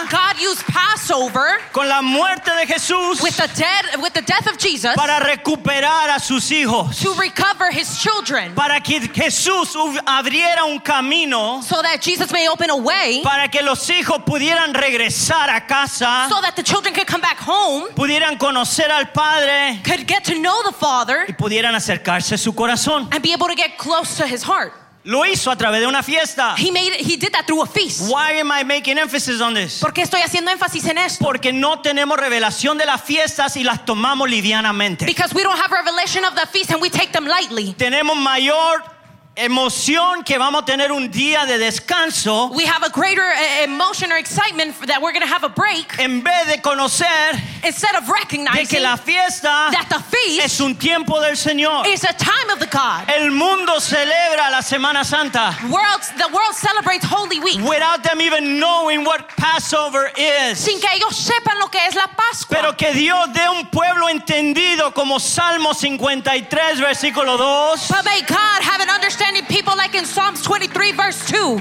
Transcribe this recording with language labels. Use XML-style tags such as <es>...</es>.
<en>God used Passover</en> <es>con la muerte de Jesús</es> <en>with the death of Jesus</en> <es>para recuperar a sus hijos.</es> <en>To recover his children.</en> <es>Para que Jesús abriera un camino</es> <en>so that Jesus may open a way</en> <es>para que los hijos pudieran regresar a casa</es> <en>so that the children could come back home</en> <es>pudieran conocer al Padre</es> <en>could get to know the Father</en> <es>y pudieran acercarse a su corazón</es> <en>and be able to get close to his heart.</en> <es>Lo hizo a través de una fiesta.</es> <en>He did that through a feast. Why am I making emphasis on this?</en> <es>¿Por qué estoy haciendo énfasis en esto? Porque no tenemos revelación de las fiestas y las tomamos livianamente.</es> <en>Because we don't have revelation of the feast and we take them lightly.</en> <es>Tenemos mayor emoción que vamos a tener un día de descanso.</es> <en>We have a greater emotion or excitement that we're going to have a break.</en> <es>En vez de conocer</es> <en>instead of recognizing</en> <es>de que la fiesta</es> <en>that the feast</en> <es>es un tiempo del Señor.</es> <en>Is a time of the God.</en> <es>El mundo celebra la Semana Santa.</es> <en>The world celebrates Holy Week. Without them even knowing what Passover is.</en> <es>Sin que ellos sepan lo que es la Pascua. Pero que Dios dé un pueblo entendido como Salmo 53 versículo 2.</es> <en>But may God have an understanding people like in Psalms 23 verse 2.</en>